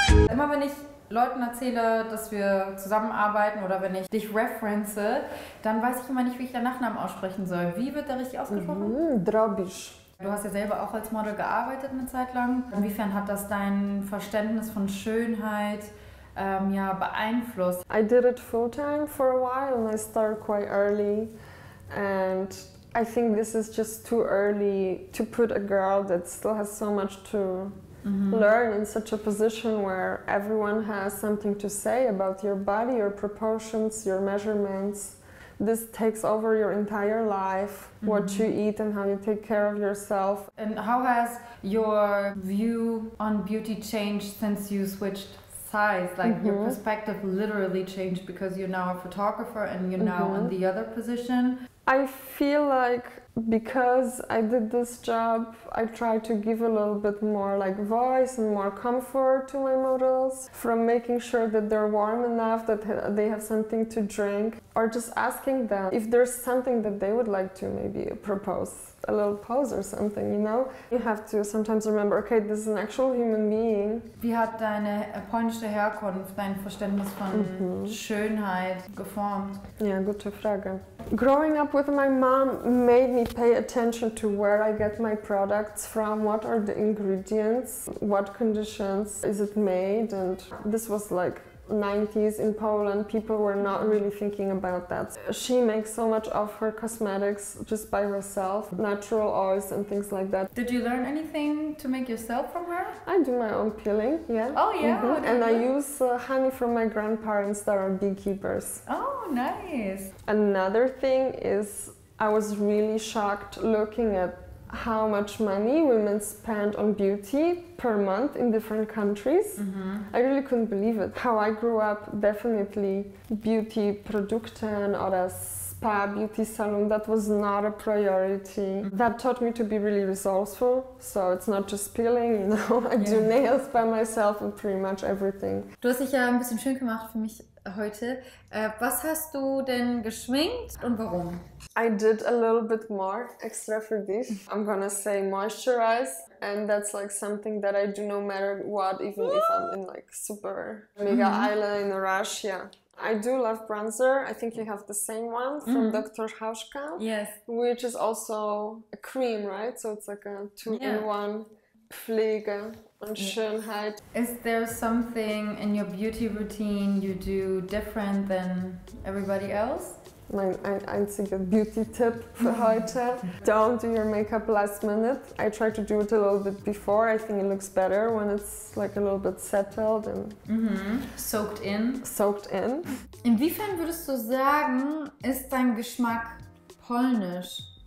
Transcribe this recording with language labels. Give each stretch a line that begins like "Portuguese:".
German: Immer wenn ich Leuten erzähle, dass wir zusammenarbeiten oder wenn ich dich reference, dann weiß ich immer nicht, wie ich deinen Nachnamen aussprechen soll. Wie wird der richtig ausgesprochen? Drabisch. Du hast ja selber auch als Model gearbeitet eine Zeit lang. Inwiefern hat das dein Verständnis von Schönheit beeinflusst?
English: I did it full-time for a while and I started quite early. And I think this is just too early to put a girl that still has so much to learn in such a position where everyone has something to say about your body, your proportions, your measurements. This takes over your entire life, what you eat and how you take care of yourself. And how has your view on beauty changed since you switched sides? Like your perspective literally changed because you're now a photographer and you're now in the other position. I feel like because I did this job, I tried to give a little bit more like voice and more comfort to my models, from making sure that they're warm enough, that they have something to drink, or just asking them if there's something that they would like to maybe propose, a little pose or something, you know? You have to sometimes remember, okay, this is an actual human being.
German: Wie hat deine polnische Herkunft dein Verständnis von Schönheit geformt? Ja, gute Frage.
English: Growing up with my mom made me pay attention to where I get my products from, what are the ingredients, what conditions is it made, and this was like 90s in Poland, people were not really thinking about that. She makes so much of her cosmetics just by herself, natural oils and things like that. Did you learn anything to make yourself from her? I do my own peeling, yeah. Oh yeah? And I use honey from my grandparents that are beekeepers. Oh, nice. Another thing is I was really shocked looking at how much money women spend on beauty per month in different countries. I really couldn't believe it. How I grew up, definitely beauty produkte or a spa beauty salon, that was not a priority. That taught me to be really resourceful, so it's not just peeling, you know. I do nails by myself and pretty much everything.
German: Du hast dich ja ein bisschen schön gemacht für mich heute. Was hast du denn geschminkt und warum?
English: I did a little bit more extra for this. I'm gonna say moisturize, and that's like something that I do no matter what, even if I'm in like super mega island in Russia. I do love bronzer. I think you have the same one from Dr. Hauschka. Yes. Which is also a cream, right? So it's like a two-in-one
German: Pflege und Schönheit.
English: Is there something in your beauty routine you do different than everybody else?
German: Mein einziger Beauty Tip für heute.
English: Don't do your makeup last minute. I try to do it a little bit before. I think it looks better when it's like a little bit settled and soaked in. Soaked in.
German: Inwiefern würdest du sagen, ist dein Geschmack polnisch?